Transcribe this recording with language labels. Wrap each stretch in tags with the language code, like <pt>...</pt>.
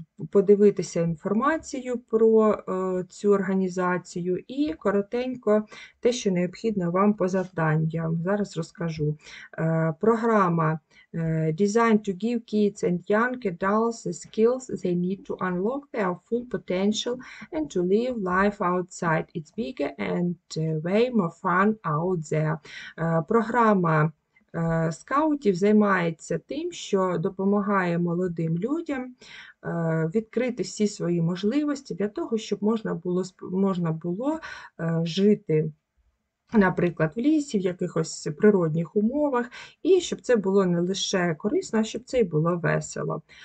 <uk>подивитися інформацію про цю організацію і коротенько те, що необхідно вам по завданням. Зараз розкажу.</uk> <en>Програма Designed to give kids and young adults the skills they need to unlock their full potential and to live life outside. It's bigger and way more fun out there.</en> <uk>Програма скаутів займається тим, що допомагає молодим людям відкрити всі свої можливості для того, щоб можна було жити, наприклад, в лісі, в якихось природних умовах, і щоб це було не лише корисно, а щоб це й було весело.</uk>